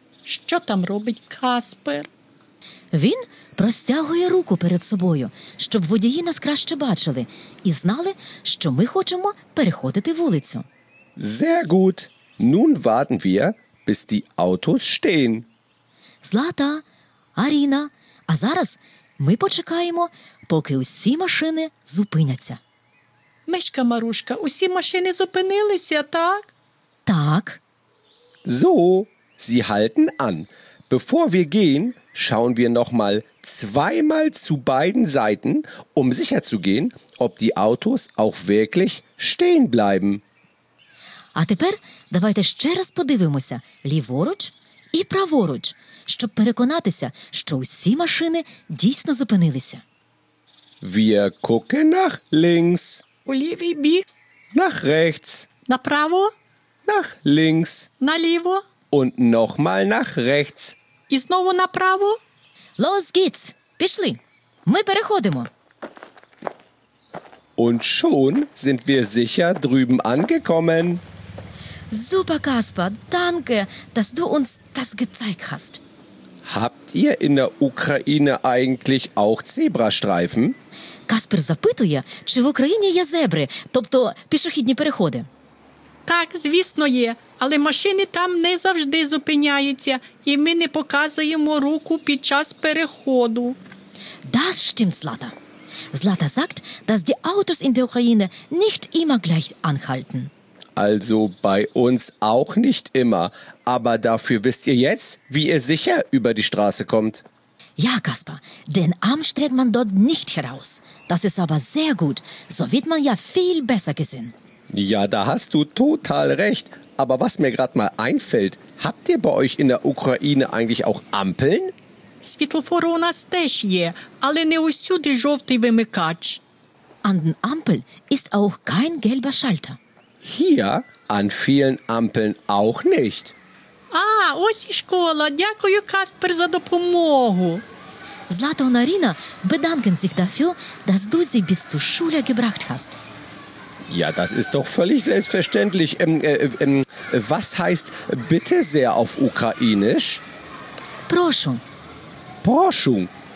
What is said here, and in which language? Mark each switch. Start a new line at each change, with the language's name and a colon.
Ukrainian: Що там робить Каспер? Він простягує руку перед собою, щоб водії нас краще бачили і знали, що ми хочемо переходити вулицю.
German: Sehr gut. Nun warten wir, bis die Autos stehen.
Ukrainian: Злата, Аріна, а зараз ми почекаємо, поки усі машини зупиняться. Мишка Марушка, усі машини зупинилися, так? Так.
German: So, sie halten an. Bevor wir gehen, schauen wir noch mal zweimal zu beiden Seiten, um sicher zu gehen, ob die Autos auch wirklich stehen bleiben.
Ukrainian: А тепер давайте ще раз подивимося ліворуч і праворуч, щоб переконатися, що усі машини дійсно зупинилися.
German: Wir gucken nach links.
Ukrainian: У лівий бік.
German: Nach rechts.
Ukrainian: Направо.
German: Nach links.
Ukrainian: Наліво.
German: Und nochmal nach rechts.
Ukrainian: І знову направо.
German: Los geht's.
Ukrainian: Пішли. Ми переходимо.
German: Und schon sind wir sicher drüben angekommen. Super, Kasper. Danke, dass du uns das gezeigt hast. Habt ihr in der Ukraine eigentlich auch Zebrastreifen?
Ukrainian: Каспер запитує, чи в Україні є зебри, тобто пішохідні переходи. Так, звісно, є, але машини там не завжди зупиняються, і ми не показуємо руку під час переходу.
German: Das stimmt, Zlata. Zlata sagt, dass die Autos in der Ukraine nicht immer gleich anhalten. Also bei uns auch nicht immer, aber dafür wisst ihr jetzt, wie ihr sicher über die Straße kommt. Ja, Kasper, den Arm streckt man dort nicht heraus. Das ist aber sehr gut. So wird man ja viel besser gesehen. Ja, da hast du total recht. Aber was mir gerade mal einfällt, habt ihr bei euch in der Ukraine eigentlich auch Ampeln?
Ukrainian: Світлофори у нас теж є, але не усюди жовтий вимикач.
German: An den Ampeln ist auch kein gelber Schalter. Hier an vielen Ampeln auch nicht.
Ukrainian: Ah, ось і школа. Дякую, Каспер, за допомогу.
German: Злата und Арина, bedanken sich dafür, dass du sie bis zur Schule gebracht hast. Ja, das ist doch völlig selbstverständlich. Was heißt bitte sehr auf Ukrainisch?
Ukrainian: Прошу. Прошу.